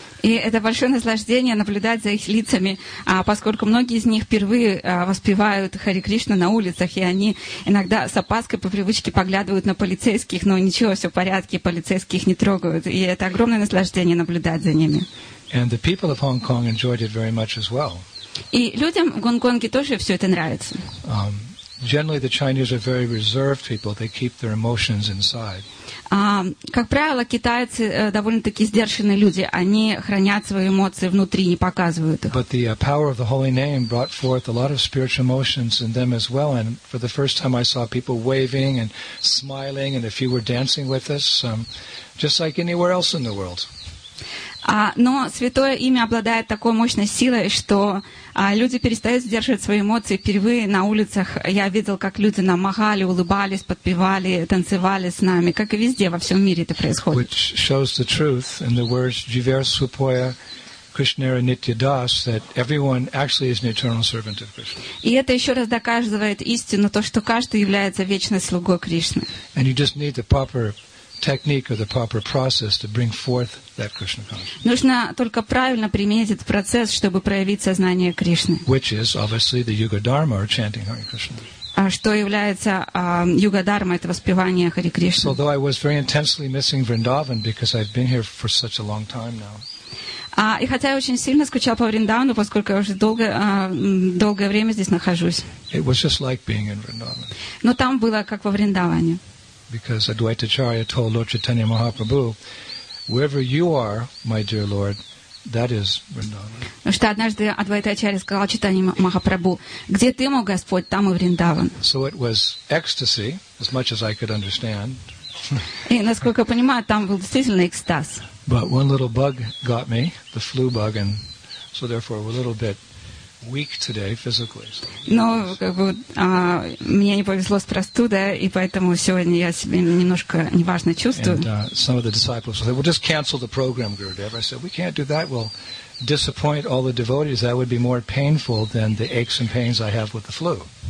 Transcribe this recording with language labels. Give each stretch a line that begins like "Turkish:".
Russian: И это большое наслаждение наблюдать за их лицами, поскольку многие из них впервые воспевают Хари Кришну на улицах, и они иногда с опаской по привычке поглядывают на полицейских, но ничего, все в порядке, полицейских не трогают. И это огромное наслаждение наблюдать за ними.
English: And the people of Hong Kong enjoyed it very much as well.
Russian: И людям в Гонконге тоже все это нравится.
English: Generally, the Chinese are very reserved people. They keep their emotions inside.
Russian: Как правило, китайцы довольно-таки сдержанные люди. Они хранят свои эмоции внутри, не показывают их.
English: But the power of the holy name brought forth a lot of spiritual emotions in them as well. And for the first time, I saw people waving and smiling, and a few were dancing with us, just like anywhere else in the world.
Russian: Но Святое Имя обладает такой мощной силой, что люди перестают сдерживать свои эмоции. Впервые на улицах я видел, как люди нам махали, улыбались, подпевали, танцевали с нами, как и везде во всем мире это происходит.
English: Which shows the truth in the words Jiversupoya Krishnara Nitya Das, that everyone actually is an eternal servant of Krishna.
Russian: И это еще раз доказывает истину, то, что каждый является вечной слугой Кришны.
English: And you just need the proper technique or the proper process to bring forth that Krishna consciousness.
Russian: Нужно только правильно применить этот процесс, чтобы проявить сознание Кришны.
English: Which is obviously the Yuga Dharma or chanting Hare Krishna.
Russian: Что является Yuga Dharma, это воспевание Хари Кришны.
English: So although I was very intensely missing Vrindavan because I've been here for such a long time now.
Russian: И хотя я очень сильно скучал по Вриндавану, поскольку я уже долгое время здесь нахожусь.
English: It was just like being in Vrindavan.
Russian: Но там было как во Вриндаване.
English: Because Advaitacharya told Lord Chaitanya Mahaprabhu, wherever you are, my dear Lord, that is Vrindavan.
Russian: Что однажды Адвайтачарья сказал Чайтанья Махапрабху, где ты, мой Господь, там и Вриндаван.
English: So it was ecstasy, as much as I could understand.
Russian: И, насколько я понимаю, там был действительно экстаз.
English: But one little bug got me, the flu bug, and so therefore a little bit weak today physically.
Russian: Но как бы мне не повезло с простудой, и поэтому сегодня я себя немножко неважно чувствую.
English: And some of the disciples said, "We'll just cancel the program, Gurudev." I said, "We can't do that. We'll disappoint all the devotees. That would be more painful than the aches and pains I have with the flu."